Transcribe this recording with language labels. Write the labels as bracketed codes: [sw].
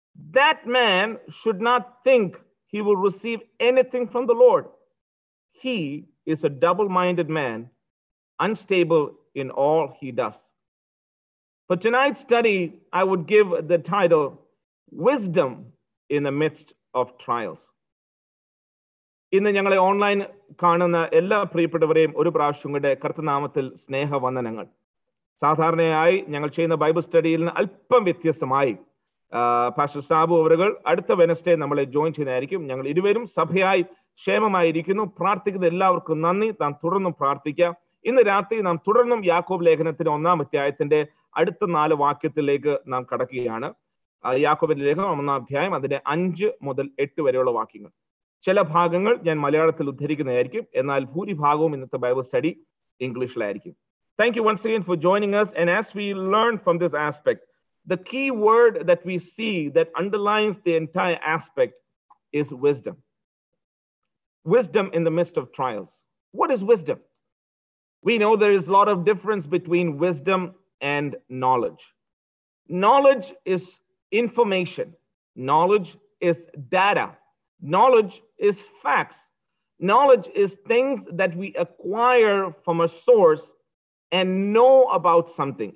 [en] That man should not think he will receive anything from the Lord. He is a double-minded man, unstable in all he does. For tonight's study, I would give the title, Wisdom in the Midst of Trials. [ml] ഇന്ന് ഞങ്ങളെ online കാണുന്ന എല്ലാ പ്രിയപ്പെട്ടവരെയും ഒരു പ്രാവശ്യങ്ങളുടെ കർത്തനാമത്തിൽ സ്നേഹവന്ദനങ്ങൾ. സാധാരണയായി ഞങ്ങൾ ചെയ്യുന്ന Bible സ്റ്റഡിയിൽ നിന്ന് അല്പം വ്യത്യസ്തമായി പാസ്റ്റർ സാബു അവരുകൾ അടുത്ത വെനസ്ഡേ നമ്മളെ ജോയിൻ ചെയ്യുന്നതായിരിക്കും. ഞങ്ങൾ ഇരുവരും സഭയായി ക്ഷേമമായിരിക്കുന്നു. പ്രാർത്ഥിക്കുന്ന എല്ലാവർക്കും നന്ദി. നാം തുടർന്നും പ്രാർത്ഥിക്കാം. ഇന്ന് രാത്രി നാം തുടർന്നും യാക്കോബ് ലേഖനത്തിന്റെ 1-ാം അധ്യായത്തിന്റെ അടുത്ത 4 വാക്യത്തിലേക്ക് നാം കടക്കുകയാണ്. യാക്കോബിന്റെ ലേഖനം 1-ാം അധ്യായം അതിന്റെ 5 മുതൽ 8 വരെയുള്ള വാക്യങ്ങൾ. ചില ഭാഗങ്ങൾ ഞാൻ മലയാളത്തിൽ ഉദ്ധരിക്കുന്നതായിരിക്കും. എന്നാൽ ഭൂരിഭാഗവും ഇന്നത്തെ Bible study ഇംഗ്ലീഷിലായിരിക്കും. [en] Thank you once again for joining us. And as we learn from this aspect, the key word that we see that underlines the entire aspect is wisdom. Wisdom in the midst of trials. What is wisdom? We know there is a lot of difference between wisdom and knowledge. Knowledge is information. Knowledge is data. Knowledge is facts. Knowledge is things that we acquire from a source and know about something.